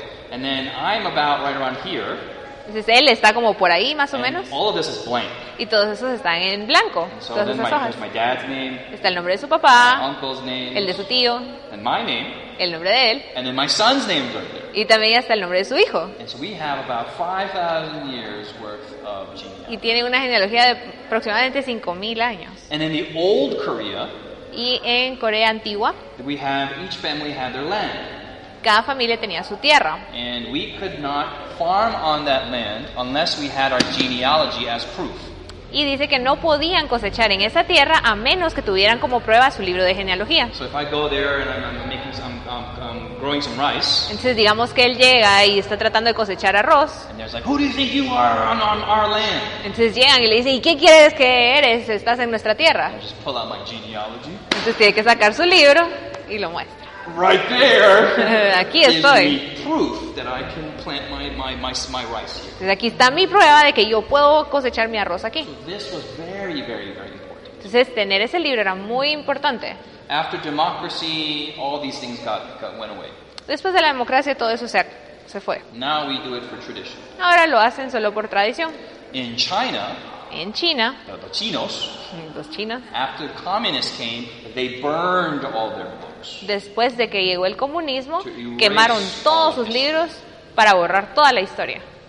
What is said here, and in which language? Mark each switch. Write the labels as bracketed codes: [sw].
[en] And then I'm about right around here. [es] Entonces él está como por ahí más o [en] and [es] menos. [en] All of this is blank. [es] Y todos esos están en blanco. [en] So then my dad's name. [es] Está el nombre de su papá. [en] My uncle's name. [es] El de su tío. [en] And my name. [es] El nombre de él. [en] And then my son's name right there. [es] Y también está el nombre de su hijo. [en] And so we have about 5,000 years worth of genealogy. [es] Y tiene una genealogía de aproximadamente 5,000 años. [en] And in the old Korea. [es] Y en Corea antigua. [en] We have each family had their land. [es] Cada familia tenía su tierra. [en] And we could not farm on that land unless we had our genealogy as proof. [es] Y dice que no podían cosechar en esa tierra a menos que tuvieran como prueba su libro de genealogía. [en] So if I go there and I'm growing some rice. [es] Entonces digamos que él llega y está tratando de cosechar arroz. [en] And they're like, "Who do you think you are on our land?" [es] Entonces llegan y le dicen, "¿Y qué quieres que eres? Estás en nuestra tierra." [en] And I just pull out my genealogy. [es] Entonces tiene que sacar su libro y lo muestra. [en] Right there. [es] Aquí estoy. [en] Proof that I can plant my rice here. [es] Entonces aquí está mi prueba de que yo puedo cosechar mi arroz aquí. [en] So this was very, very, very important. [es] Entonces tener ese libro era muy importante. [en] After democracy, all these things went away. [es] Después de la democracia todo eso se fue. [en] Now we do it for tradition. [es] Ahora lo hacen solo por tradición. [en] In China. [es] En China. Los chinos. [en] After the communists came, they burned all their books. [es] Después de que llegó el comunismo, quemaron todos sus libros para borrar toda la historia.